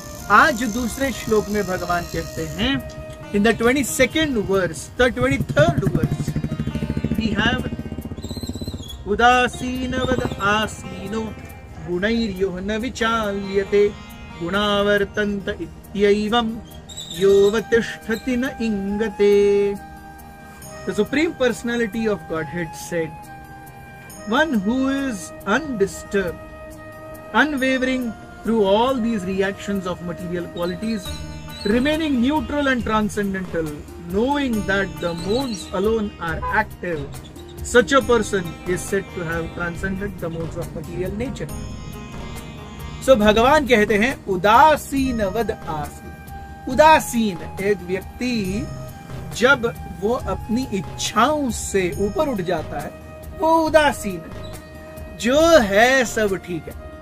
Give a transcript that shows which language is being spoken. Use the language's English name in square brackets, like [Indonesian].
[Hindi] आज दूसरे श्लोक में भगवान कहते हैं [English] in the 23rd verse we have [Sanskrit] उदासीनवद आसीनो गुणैर्यो न विचाल्यते गुणावर्तन्त इत्येवम् यो वतिष्ठति न इंगते। [English] The Supreme Personality of Godhead said, one who is undisturbed, unwavering through all these reactions of material qualities, remaining neutral and transcendental, knowing that the modes alone are active, such a person is said to have transcended the modes of material nature. [Hindi] So, Bhagavan कहते हैं [Sanskrit] उदासीन वद आसीन। [Hindi] उदासीन एक व्यक्ति जब वो अपनी इच्छाओं से ऊपर उठ जाता है वो उदासीन है, जो है सब ठीक है।